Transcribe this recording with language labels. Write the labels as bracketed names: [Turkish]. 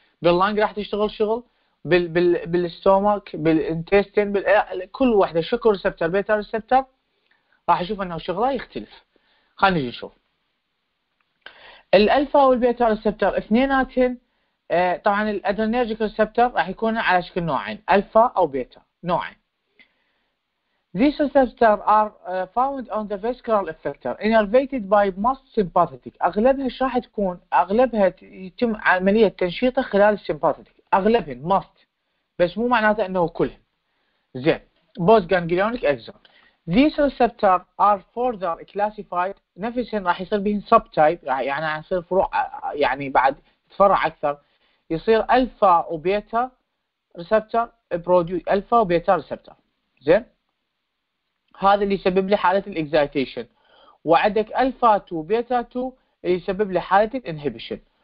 [Arabic] باللانج راح تشتغل شغل، بالستومك، بالانتستين، كل واحدة شكل ريسبتور بيتا ريسبتور راح اشوف انه شغله يختلف. خلينا نجي نشوف الالفا والبيتا ريسبتور اثنيناتهم. طبعا الادرينرجيك ريسبتور راح يكون على شكل نوعين، الفا او بيتا، نوعين. [English] These receptors are found on the vascular effector innervated by most sympathetic. [Arabic] اغلبها ايش راح تكون؟ اغلبها يتم عمليه تنشيطه خلال السيمباثيتك، اغلبهم must، بس مو معناته انه كلهم. [English] زين، both ganglionic axon. These receptors are further classified، [Arabic] نفسهم راح يصير بهم sub type، يعني راح يصير فروع، يعني بعد تفرع اكثر، يصير الفا وبيتا ريسبتور برودوس، الفا وبيتا ريسبتور. زين، هذا اللي يسبب لي حاله الاكزايتيشن، وعندك الفا 2 بيتا 2 اللي يسبب لي حاله الانهبيشن.